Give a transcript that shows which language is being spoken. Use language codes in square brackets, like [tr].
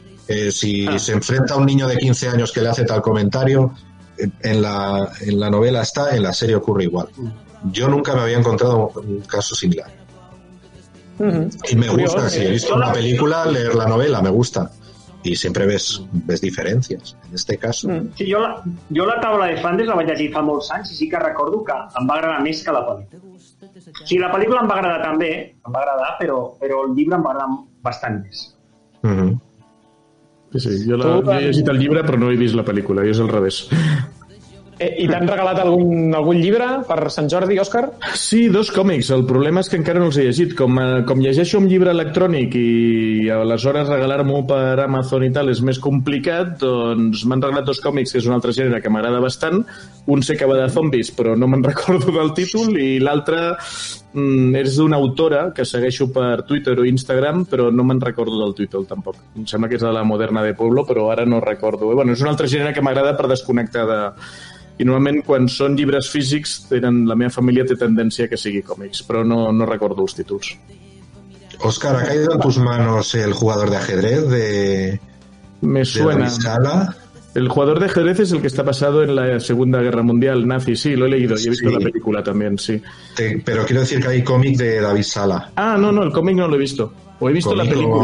[es] Se enfrenta a un niño de 15 años que le hace tal comentario, en la novela está, en la serie ocurre igual. Yo nunca me había encontrado un caso similar. Y me gusta, si he visto una película, leer la novela, me gusta. Y siempre ves diferencias, en este caso. [ca] Sí, jo la tabla de Flandes la vaig llegir fa molts anys i sí que recordo que em va agradar més que la pel·lícula. Sí, la pel·lícula em va agradar també, però el llibre em va agradar bastant més. Sí, jo he llegit el llibre però no he vist la pel·lícula, i és al revés. I t'han regalat algun llibre per Sant Jordi, Òscar? Sí, dos còmics. El problema és que encara no els he llegit. Com llegeixo un llibre electrònic i aleshores regalar-m'ho per Amazon i tal és més complicat, doncs m'han regalat dos còmics, que és un altre gènere que m'agrada bastant. Un sé que va de zombis, però no me'n recordo del títol, i l'altre és d'una autora que segueixo per Twitter o Instagram, però no me'n recordo del títol tampoc. Em sembla que és de la Moderna de Pueblo, però ara no recordo. Bueno, és un altre gènere que m'agrada per desconnectar de... I normalment, quan són llibres físics, la meva família té tendència que sigui còmics, però no recordo els títols. [es] Òscar, ¿ha caído en tus manos el jugador de ajedrez de Me suena. De la Sala? El jugador de ajedrez es el que está basado en la Segunda Guerra Mundial nazi. Sí, lo he leído y he visto la película también, sí. Pero quiero decir que hay cómic de David Sala. Ah, no, no, el cómic no lo he visto. O he visto cómic la película